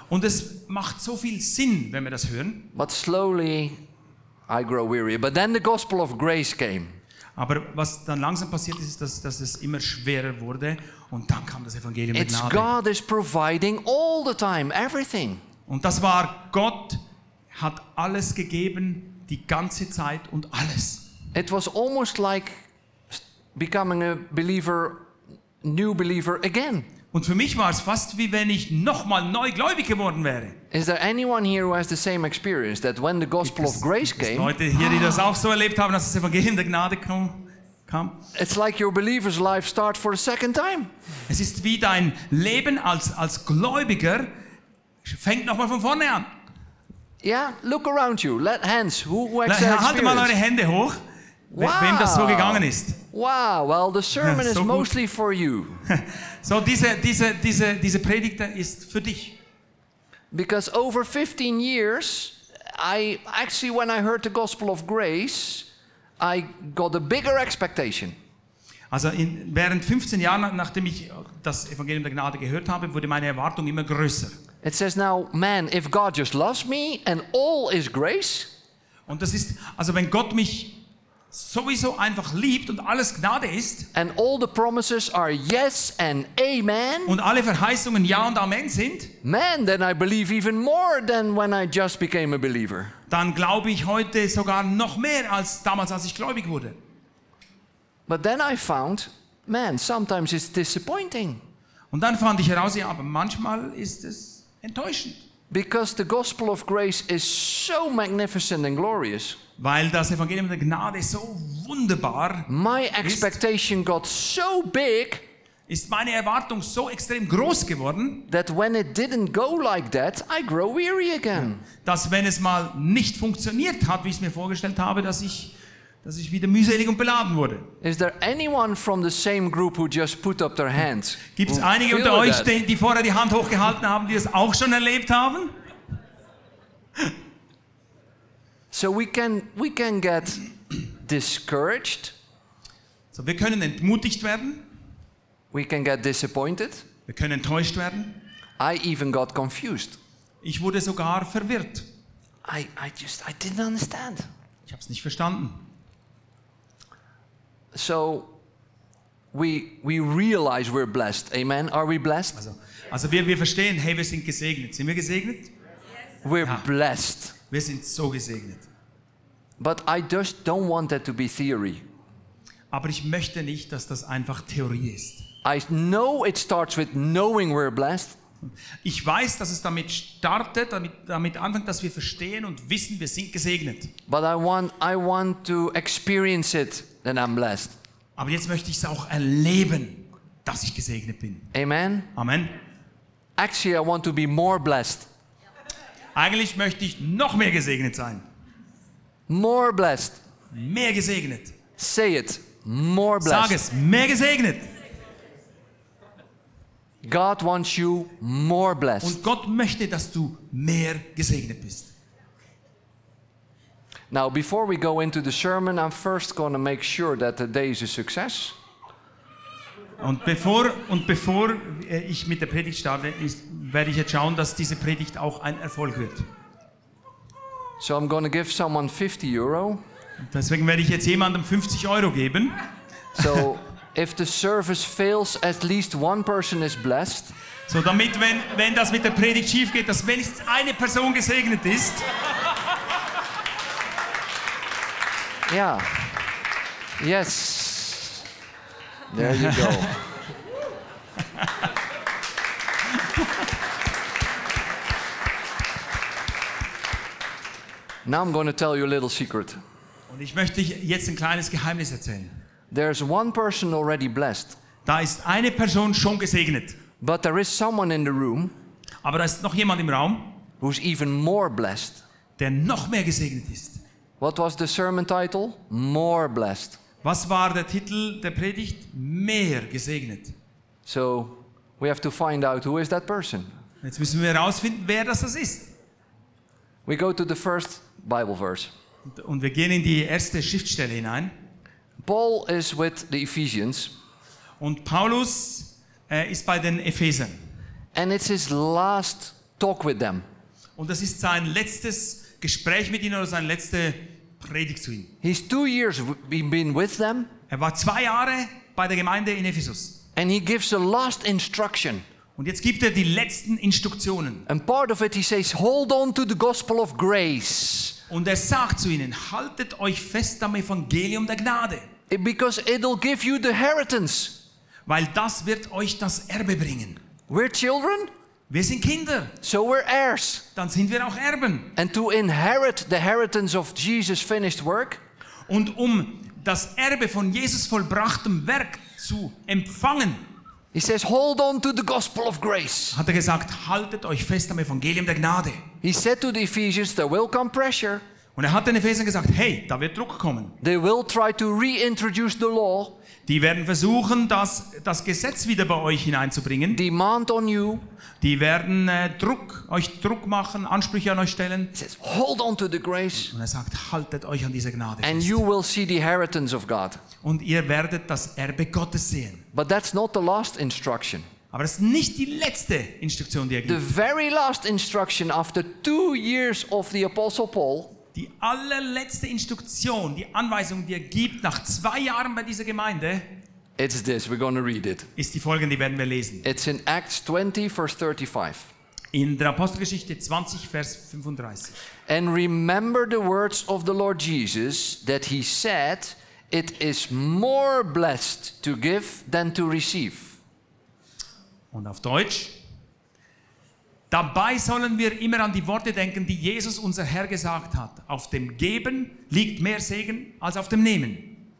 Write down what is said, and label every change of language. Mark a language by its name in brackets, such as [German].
[German] Und es macht so viel Sinn, wenn wir das hören. [English] But slowly I grow weary. But then the gospel of grace came. [German] Aber was dann langsam passiert ist, dass es immer schwerer wurde und dann kam das Evangelium mit Gnade. [English] It's God is providing all the time everything. [German] Und das war Gott hat alles gegeben die ganze Zeit und alles. [English] It was almost like becoming a believer, new believer again. [German] Und für mich war es fast wie wenn ich nochmal neu gläubig geworden wäre. [English] Is there anyone here who has the same experience that when the gospel of grace came? [German] Leute hier, die das auch so erlebt haben, dass das Evangelium der Gnade kam. [English] It's like your believer's life starts for a second time. [German] Es ist wie dein Leben als Gläubiger fängt nochmal von vorne an. [English] Yeah, look around you. Let hands. Who has experience? [German] Halte mal eure Hände hoch. Wow. Wem das so gegangen ist. [English] Wow, well the sermon is mostly for you. [German] So diese Predigt ist für dich. [English] Because over 15 years, I actually when I heard the gospel of grace, I got a bigger expectation. [German] Also während 15 Jahren nachdem ich das Evangelium der Gnade gehört habe, wurde meine Erwartung immer größer. [English] It says now, man, if God just loves me and all is grace. [German] Und das ist also wenn Gott mich sowieso einfach liebt und alles Gnade ist. [English] And all the promises are yes and amen. [German] Und alle Verheißungen ja und amen sind. [English] Man, then I believe even more than when I just became a believer. [German] Dann glaube ich heute sogar noch mehr als damals, als ich gläubig wurde. [English] But then I found, man, sometimes it's disappointing. [German] Und dann fand ich heraus, ja, aber manchmal ist es enttäuschend. [English] Because the gospel of grace is so magnificent and glorious. [German] Weil das Evangelium der Gnade so wunderbar ist. [English] My expectation got so big. [German] Ist meine Erwartung so extrem groß geworden. [English] That when it didn't go like that, I grow weary again. [German] Dass wenn es mal nicht funktioniert hat, wie ich es mir vorgestellt habe, dass ich wieder mühselig und beladen wurde. [English] Is there anyone from the same group who just put up their hands? [German] Gibt's einige unter euch, die vorher die Hand hochgehalten haben, die es auch schon erlebt haben? [English] So we can get discouraged. [German] So wir können entmutigt werden. [English] We can get disappointed. [German] Wir können enttäuscht werden. [English] I even got confused. [German] Ich wurde sogar verwirrt. [English] I didn't understand. [German] Ich habe es nicht verstanden. [English] So we realize we're blessed. Amen. Are we blessed? [German] Also wir verstehen, hey, wir sind gesegnet. Sind wir gesegnet? [English] Yes. We're blessed. [German] Wir sind so gesegnet. [English] But I just don't want that to be theory. [German] Aber ich möchte nicht, dass das einfach Theorie ist. [English] I know it starts with knowing we're blessed. [German] Ich weiß, dass es damit startet, damit anfängt, dass wir verstehen und wissen, wir sind gesegnet. [English] But I want to experience it that I'm blessed. [German] Aber jetzt möchte ich es auch erleben, dass ich gesegnet bin. [English] Amen. [German] Amen. [English] Actually, I want to be more blessed. [German] Eigentlich möchte ich noch mehr gesegnet sein. [English] More blessed. [German] Mehr gesegnet. [English] Say it. More blessed. [German] Sag es. Mehr gesegnet. [English] God wants you more blessed. [German] Und Gott möchte, dass du mehr gesegnet bist. [English] Now, before we go into the sermon, I'm first going to make sure that the day is a success. [German] Und bevor ich mit der Predigt starte, werde ich jetzt schauen, dass diese Predigt auch ein Erfolg wird. [English] So I'm going to give someone 50 Euro. [German] Deswegen werde ich jetzt jemandem 50 Euro geben. [English] So if the service fails, at least one person is blessed. [German] So damit, wenn das mit der Predigt schief geht, dass wenigstens eine Person gesegnet ist. [English] Ja. Yeah. Yes. There you go. Now I'm going to tell you a little secret. [German] Und ich möchte jetzt ein kleines Geheimnis erzählen. [English] There's one person already blessed. [German] Da ist eine Person schon gesegnet. [English] But there is someone in the room. [German] Aber da ist noch jemand im Raum. [English] Who's even more blessed. [German] Der noch mehr gesegnet ist. [English] What was the sermon title? More blessed. [German] Was war der Titel der Predigt? Mehr gesegnet. [English] So, we have to find out who is that person. [German] Jetzt müssen wir herausfinden, wer das ist. [English] We go to the first Bible verse. [German] Und wir gehen in die erste Schriftstelle hinein. [English] Paul is with the Ephesians. [German] Und Paulus ist bei den Ephesern. [English] And it's his last talk with them. [German] Und das ist sein letztes Gespräch mit ihnen oder sein letzte Predigt zu ihnen. [English] He's 2 years been with them. [German] Er war 2 Jahre bei der Gemeinde in Ephesus. [English] And he gives the last instruction. [German] Und jetzt gibt er die letzten Instruktionen. [English] And part of it he says, hold on to the gospel of grace. [German] Und er sagt zu ihnen, haltet euch fest am Evangelium der Gnade. [English] Because it'll give you the inheritance. [German] Weil das wird euch das Erbe bringen. [English] We're children. [German] Wir sind Kinder. [English] So we're heirs. [German] Dann sind wir auch Erben. [English] And to inherit the inheritance of Jesus' finished work. [German] Und um das Erbe von Jesus vollbrachtem Werk zu empfangen. [English] He says, hold on to the gospel of grace. [German] Hat gesagt, haltet euch fest am Evangelium der Gnade. [English] He said to the Ephesians, there will come pressure. [German] Und hat den Ephesern gesagt, hey, da wird Druck kommen. [English] They will try to reintroduce the law. [German] Die werden versuchen, das Gesetz wieder bei euch hineinzubringen. [English] Demand on you. [German] Die werden Druck machen, Ansprüche an euch stellen. [English] He says, hold on to the grace. [German] Und sagt, haltet euch an dieser Gnade [English] fest. And you will see the inheritance of God. [German] Und ihr werdet das Erbe Gottes sehen. [English] But that's not the last instruction. [German] Aber das ist nicht die letzte Instruktion, die er gibt. [English] The very last instruction after 2 years of the Apostle Paul. [German] Die allerletzte Instruktion, die Anweisung, die er gibt nach 2 Jahren bei dieser Gemeinde. [English] It's this. We're going to read it. [German] Ist die folgende, die werden wir lesen. [English] It's in Acts 20, verse 35. [German] In der Apostelgeschichte 20, Vers 35. [English] And remember the words of the Lord Jesus that he said. It is more blessed to give than to receive. [German] Und auf Deutsch. Dabei sollen wir immer an die Worte denken, die Jesus, unser Herr, gesagt hat. Auf dem Geben liegt mehr Segen als auf dem Nehmen.